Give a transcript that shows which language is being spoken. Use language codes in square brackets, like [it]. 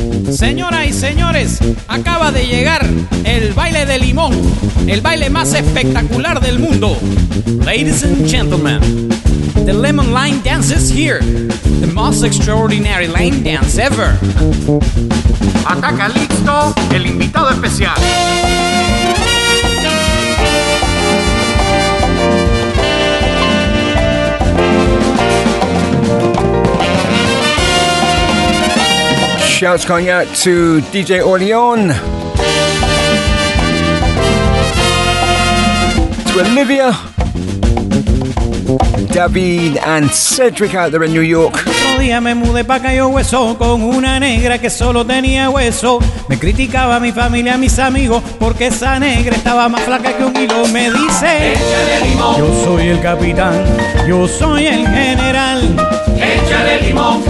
[es] Señoras y señores, acaba de llegar el baile de limón, el baile más espectacular del mundo. [en] Ladies and gentlemen, the lemon line dance is here, the most extraordinary line dance ever. [es] Acá Calixto, el invitado especial. [en] Shouts going out to DJ Orleon, to Olivia, David and Cedric out there in New York. [es] Día me mudé pa' Cayo Hueso con una negra que solo tenía hueso. Me criticaba a mi familia, a mis amigos, porque esa negra estaba más flaca que un hilo. Me dice, échale limón. Yo soy el capitán, yo soy el general. Échale limón.